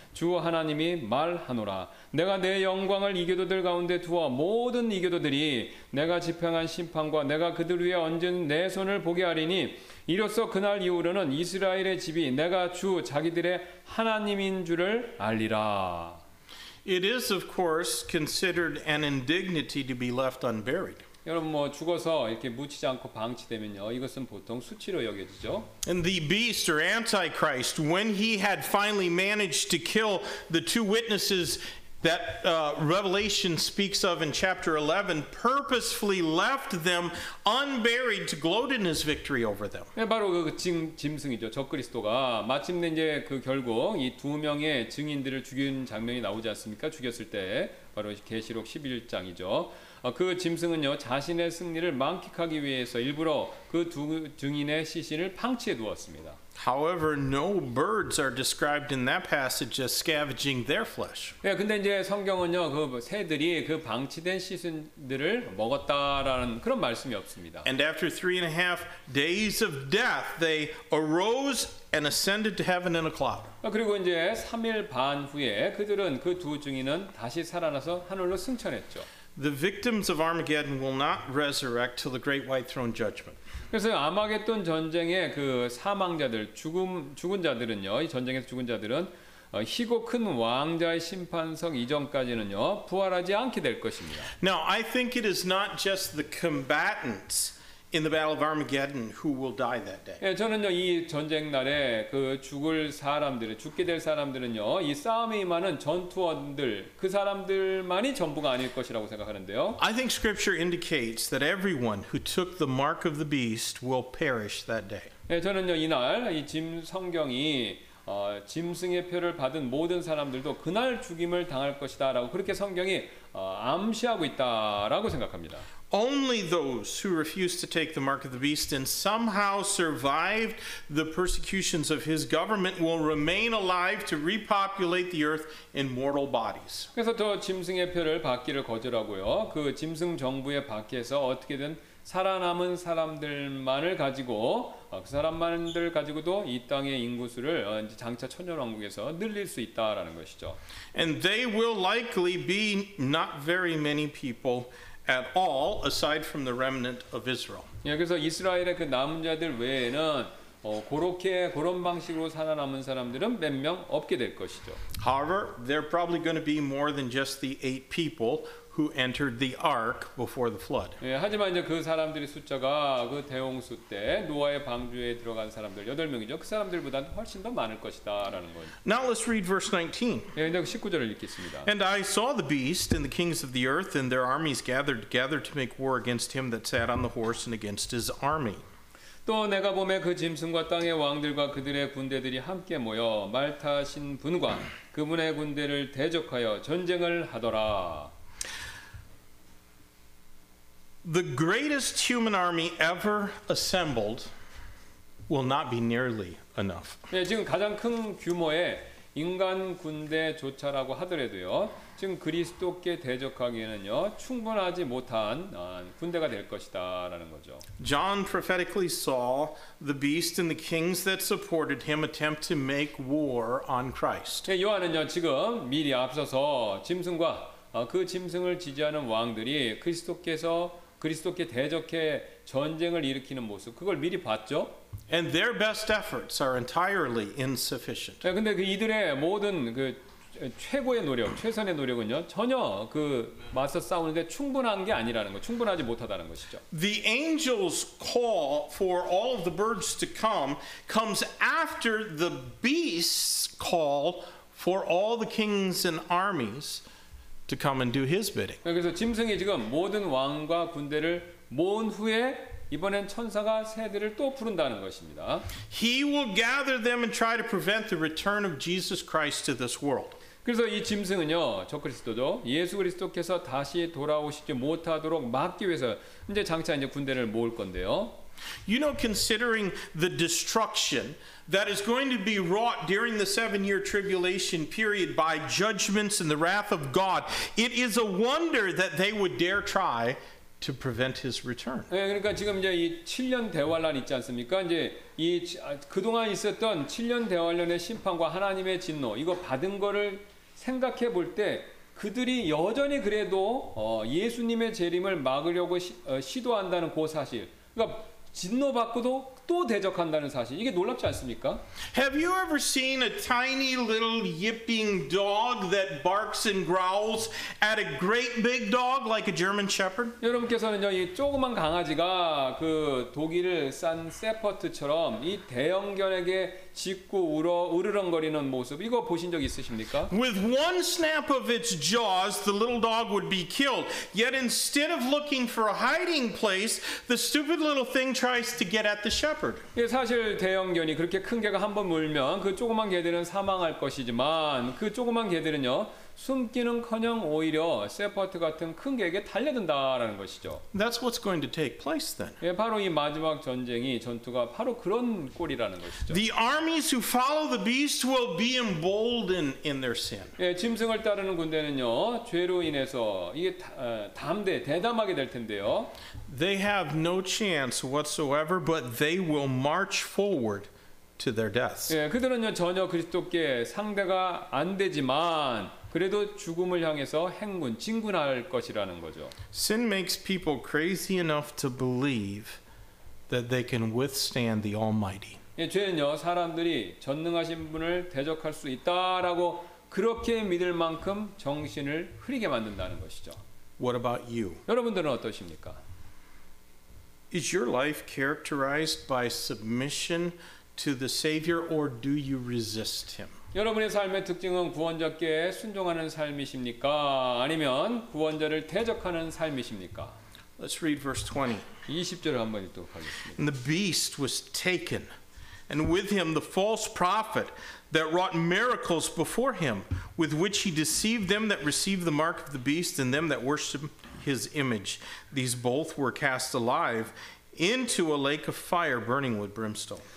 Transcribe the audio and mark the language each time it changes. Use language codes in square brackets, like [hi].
[ko] 주 하나님이 말하노라. 내가 내 영광을 이교도들 가운데 두어 모든 이교도들이 내가 집행한 심판과 내가 그들 위에 얹은 내 손을 보게 하리니 이로써 그날 이후로는 이스라엘의 집이 내가 주 자기들의 하나님인 줄을 알리라. [en] It is of course considered an indignity to be left unburied. [ko] 여러분 뭐 죽어서 이렇게 묻히지 않고 방치되면요. 이것은 보통 수치로 여겨지죠. [en] And the beast or antichrist when he had finally managed to kill the two witnesses that Revelation speaks of in chapter 11 purposefully left them unburied to gloat in his victory over them. [ko] 예, 바로 그 짐승이죠. 적그리스도가 마침내 이제 그 결국 이 두 명의 증인들을 죽인 장면이 나오지 않습니까? 죽였을 때 바로 계시록 11장이죠. 그 짐승은요 자신의 승리를 만끽하기 위해서 일부러 그 두 증인의 시신을 방치해 두었습니다. [en] However, no birds are described in that passage as scavenging their flesh. [ko] 예, 근데 이제 성경은요 그 새들이 그 방치된 시신들을 먹었다라는 그런 말씀이 없습니다. [en] And after 3.5 days of death, they arose and ascended to heaven in a cloud. [ko] 그리고 이제 3일 반 후에 그들은 그 두 증인은 다시 살아나서 하늘로 승천했죠. [en] The victims of Armageddon will not resurrect till the Great White Throne Judgment. [ko] 그래서 아마겟돈 전쟁의 그 사망자들, 죽은 자들은요, 이 전쟁에서 죽은 자들은 희고 큰 왕자의 심판석 이전까지는요 부활하지 않게 될 것입니다. [en] Now I think it is not just the combatants in the Battle of Armageddon who will die that day. [ko] 예, 저는요 이 전쟁 날에 그 죽을 사람들, 죽게 될 사람들은요 이 싸움에 임하는 전투원들 그 사람들만이 전부가 아닐 것이라고 생각하는데요. [en] I think Scripture indicates that everyone who took the mark of the beast will perish that day. [ko] 예, 저는요 이날 이 짐 성경이 짐승의 표를 받은 모든 사람들도 그날 죽임을 당할 것이다라고 그렇게 성경이 암시하고 있다라고 생각합니다. [en] Only those who refused to take the mark of the beast and somehow survived the persecutions of his government will remain alive to repopulate the earth in mortal bodies. [ko] 그래서 저 짐승의 표를 받기를 거절하고요. 그 짐승 정부에 밖에서 어떻게든 살아남은 사람들만을 가지고 그 사람만들 가지고도 이 땅의 인구수를 이제 장차 천년 왕국에서 늘릴 수 있다라는 것이죠. [en] And they will likely be not very many people at all aside from the remnant of Israel. [ko] 예, 그래서 이스라엘의 그 남은 자들 외에는 그렇게 그런 방식으로 살아남은 사람들은 몇 명 없게 될 것이죠. [en] However, they're probably going to be more than just the eight people who entered the ark before the flood. [ko] 예, 하지만 이제 그 사람들의 숫자가 그 대홍수 때 노아의 방주에 들어간 사람들 8명이죠. 그 사람들보다 훨씬 더 많을 것이다라는 거예요. [en] Now let's read verse 19. [ko] 예, 이제 19절을 읽겠습니다. [en] And I saw the beast and the kings of the earth and their armies gathered to make war against him that sat on the horse and against his army. [ko] 또 내가 보매 그 짐승과 땅의 왕들과 그들의 군대들이 함께 모여 말 타신 분과 그분의 군대를 대적하여 전쟁을 하더라. [en] The greatest human army ever assembled will not be nearly enough. [ko] 예, 지금 가장 큰 규모의 인간 군대조차라고 하더라도요, 지금 그리스도께 대적하기에는요 충분하지 못한 군대가 될 것이다라는 거죠. [en] John prophetically saw the beast and the kings that supported him attempt to make war on Christ. [ko] 예, 요한은요 지금 미리 앞서서 짐승과 그 짐승을 지지하는 왕들이 그리스도께서 그리스도께 대적해 전쟁을 일으키는 모습 그걸 미리 봤죠. [en] And their best efforts are entirely insufficient. [ko] 예, 근데 그 이들의 모든 그 최고의 노력, 최선의 노력은요 전혀 그 맞서 싸우는데 충분한 게 아니라는 거, 충분하지 못하다는 것이죠. [en] The angels' call for all of the birds to comes after the beast's call for all the kings and armies to come and do his bidding. [ko] 그래서 짐승이 지금 모든 왕과 군대를 모은 후에 이번엔 천사가 새들을 또 부른다는 것입니다. [en] He will gather them and try to prevent the return of Jesus Christ to this world. [ko] 그래서 이 짐승은요, 저 그리스도죠. 예수 그리스도께서 다시 돌아오시지 못하도록 막기 위해서 이제 장차 이제 군대를 모을 건데요. [en] You know, considering the destruction that is going to be wrought during the 7-year tribulation period by judgments and the wrath of God, it is a wonder that they would dare try to prevent his return. [ko] 예, 그러니까 지금 이제 이 7년 대환란 있지 않습니까? 이제 이 그동안 있었던 7년 대환란의 심판과 하나님의 진노 이거 받은 거를 생각해 볼 때 그들이 여전히 그래도 예수님의 재림을 막으려고 시도한다는 그 사실. 그러니까 진노 받고도 또 대적한다는 사실. 이게 놀랍지 않습니까? [en] Have you ever seen a tiny little yipping dog that barks and growls at a great big dog like a German shepherd? [ko] 여러분께서는요, 이 조그만 강아지가 그 독일을 싼 세퍼트처럼 이 대형견에게 짖고 울어 으르렁거리는 모습 이거 보신 적 있으십니까? [en] With one snap of its jaws, the little dog would be killed. Yet instead of looking for a hiding place, the stupid little thing tries to get at the shepherd. [ko] 예, 사실 대형견이 그렇게 큰 개가 한번 물면 그 조그만 개들은 사망할 것이지만 그 조그만 개들은요 숨기는커녕 오히려 세포트 같은 큰 계획에 달려든다라는 것이죠. [en] That's what's going to take place then. [ko] 예, 바로 이 마지막 전쟁이 전투가 바로 그런 꼴이라는 것이죠. [en] The armies who follow the beast will be emboldened in their sin. [ko] 예, 짐승을 따르는 군대는요, 죄로 인해서 이게 담대, 대담하게 될 텐데요. [en] They have no chance whatsoever, but they will march forward to their deaths. [ko] 예, 그들은요 전혀 그리스도께 상대가 안 되지만 그래도 죽음을 향해서 행군, 진군할 것이라는 거죠. [en] Sin makes people crazy enough to believe that they can withstand the Almighty. [ko] 예, 죄는요 사람들이 전능하신 분을 대적할 수 있다라고 그렇게 믿을 만큼 정신을 흐리게 만든다는 것이죠. [en] What about you? [ko] 여러분들은 어떠십니까? [en] Is your life characterized by submission to the Savior, or do you resist Him? [ko] 여러분의 삶의 특징은 구원자께 순종하는 삶이십니까? 아니면 구원자를 대적하는 삶이십니까? [en] Let's read verse 20. [ko] 20절을 한번 읽도록 하겠습니다. [en] And the beast was taken, and with him the false prophet that wrought miracles before him, with which he deceived them that received the mark of the beast and them that worshipped his image. These both were cast alive into a lake of fire burning with brimstone.